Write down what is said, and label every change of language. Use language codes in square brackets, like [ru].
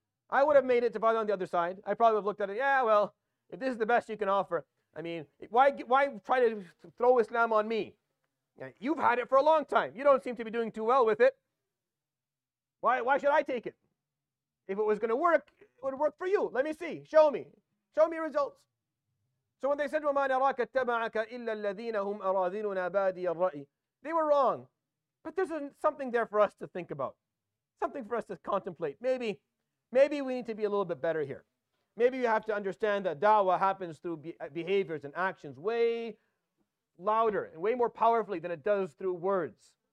[en] I would have made it if I was on the other side. I probably would have looked at it, yeah, well, if this is the best you can offer, I mean, why try to throw Islam on me? You've had it for a long time. You don't seem to be doing too well with it. Why should I take it? If it was going to work, it would work for you. Let me see. Show me. Show me results. So when they said, [ar] وَمَا نَرَاكَ اتَّبَعَكَ إِلَّا الَّذِينَ هُمْ أَرَاذِينُونَ بَادِيَ الرَّأِي, [en] they were wrong. But there's something there for us to think about. Something for us to contemplate. Maybe we need to be a little bit better here. Maybe you have to understand that da'wah happens through behaviors and actions way louder and way more powerfully than it does through words.